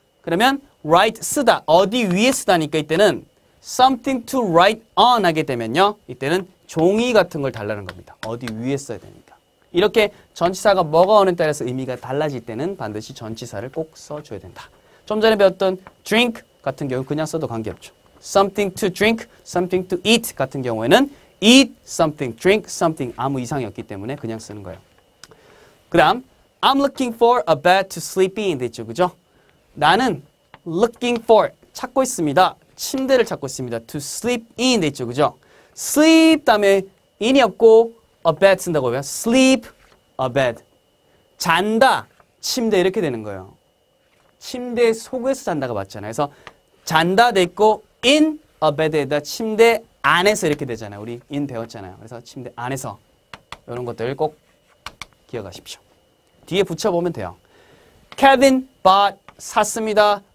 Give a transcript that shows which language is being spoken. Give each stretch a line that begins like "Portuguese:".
Korean: 그러면 write 쓰다. 어디 위에 쓰다니까 이때는
English: something to write on
Korean: 하게 되면요. 이때는 종이 같은 걸 달라는 겁니다. 어디 위에 써야 되니까. 이렇게 전치사가 뭐가 오는 따라서 의미가 달라질 때는 반드시 전치사를 꼭 써줘야 된다. 좀 전에 배웠던 drink 같은 경우 그냥 써도 관계없죠.
English: something to drink, something to eat
Korean: 같은 경우에는
English: eat something, drink something
Korean: 아무 이상이 없기 때문에 그냥 쓰는 거예요. 그 다음
English: I'm looking for a bed to sleep in
Korean: 됐죠, 그죠? 나는 looking for, 찾고 있습니다. 침대를 찾고 있습니다.
English: to sleep in
Korean: 됐죠, 그죠? sleep 다음에 in이 없고 a bed 쓴다고 해요.
English: sleep a bed
Korean: 잔다, 침대 이렇게 되는 거예요. 침대 속에서 잔다가 맞잖아요. 그래서 잔다 됐고
English: in a bed
Korean: 에다 침대 안에서 이렇게 되잖아요. 우리 in 배웠잖아요. 그래서 침대 안에서 이런 것들 꼭 기억하십시오. 뒤에 붙여보면 돼요. Kevin bought, 샀습니다.